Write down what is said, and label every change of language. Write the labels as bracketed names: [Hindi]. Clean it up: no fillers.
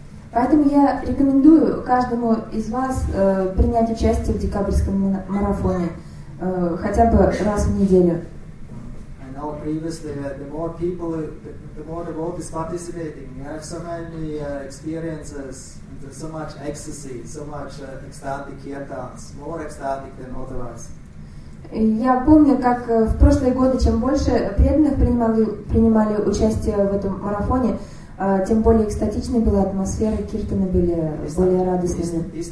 [Russian] Поэтому я рекомендую каждому из вас принять участие в декабрьском марафоне хотя бы раз в неделю. [English] I know previously that the more people, the more the world is participating. You have so many experiences, and so much ecstasy, so much ecstatic kirtans, more ecstatic than otherwise. [Russian] Я помню, как в прошлые годы, чем больше преданных принимали участие в этом марафоне, тем более экстатичной была атмосфера, киртаны были более радостными.